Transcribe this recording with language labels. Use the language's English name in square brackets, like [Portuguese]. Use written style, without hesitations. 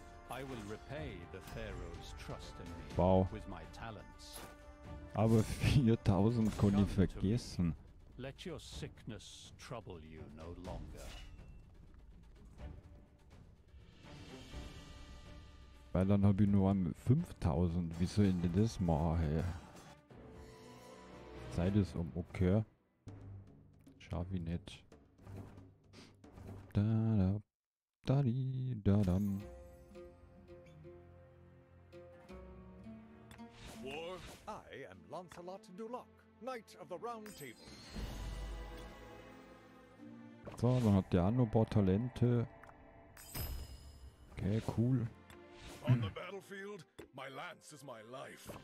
[English] I will repay the Pharaoh's trust in me. Wow. With my talents. [German] Aber 4000 konnte ich vergessen. [English] Let your sickness trouble you no longer. [German] Weil dann habe ich nur 5000. Wieso in das machen? Zeit ist um. Okay. Schaffe ich nicht. Da da. Da di. Da dam. War. [English] I am Lancelot Duloc, Knight of the Round Table. [German] So, dann hat der auch noch ein paar Talente. Okay, cool. [English] On the battlefield, my lance is my life.